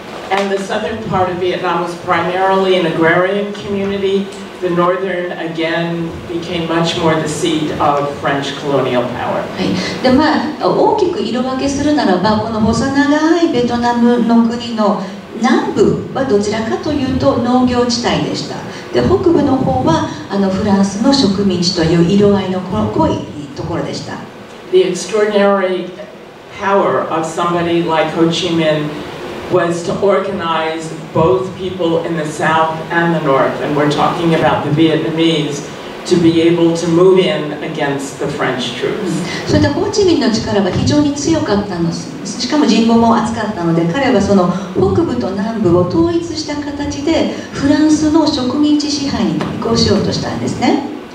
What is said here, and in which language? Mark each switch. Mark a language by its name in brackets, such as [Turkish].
[English] And the southern part of Vietnam was primarily an agrarian community. The northern again became much more the seat of French colonial power. [Japanese] で、まあ、大きく色分けするならば、この細長いベトナムの国の南部はどちらかというと農業地帯でした。で、北部の方はフランスの植民地という色合いの濃いところでした。 [English] The extraordinary power of somebody like Ho Chi Minh. Was to organize both people in the south and the north, and we're talking about the Vietnamese to be able to move in against the French troops. So the Ho Chi Minh's power was very strong. And also, the population was very strong. So he unified the south and the north in a way to negotiate against the French colonialism.